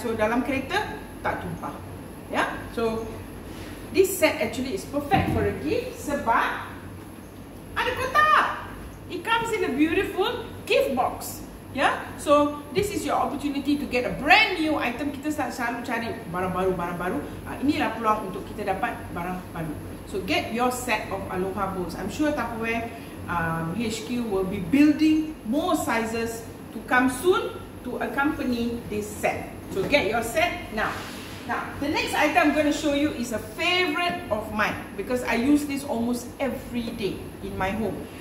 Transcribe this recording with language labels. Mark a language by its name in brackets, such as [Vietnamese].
[English] So [Malay] dalam kereta tak tumpah. [English] Yeah, so this set actually is perfect for a gift [Malay] sebab ada kotak. [English] It comes in a beautiful gift box. Yeah, so this is your opportunity to get a brand new item. [Malay] Kita selalu cari barang baru. Inilah peluang untuk kita dapat barang baru. [English] So get your set of Aloha bowls. I'm sure Tupperware HQ will be building more sizes to come soon to accompany this set. So get your set now. Now, the next item I'm going to show you is a favorite of mine because I use this almost every day in my home.